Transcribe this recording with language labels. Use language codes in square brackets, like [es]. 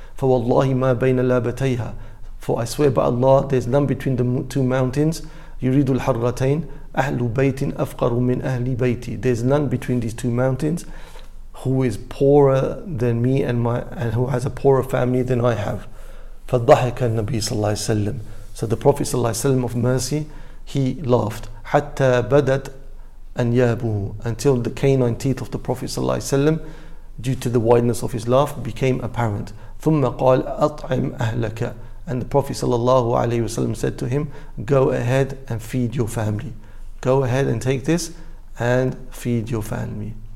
[ar] فوالله ما بين لابتيها, [en] for I swear by Allah, there is none between the two mountains, [ar] يريد الحرتين, أهل بيت أفقر من أهل بيتي, [en] there is none between these two mountains who is poorer than me and who has a poorer family than I have. [ar] فضحك النبي صلى الله عليه وسلم, [en] so the Prophet صلى الله عليه وسلم of mercy, he laughed. [ar] حتى بدت أنيابه, [en] until the canine teeth of the Prophet صلى الله عليه وسلم, due to the wideness of his laugh, became apparent. [ar] ثم قال أطعم أهلك, [en] and the Prophet صلى الله عليه وسلم said to him, go ahead and feed your family, go ahead and take this and feed your family.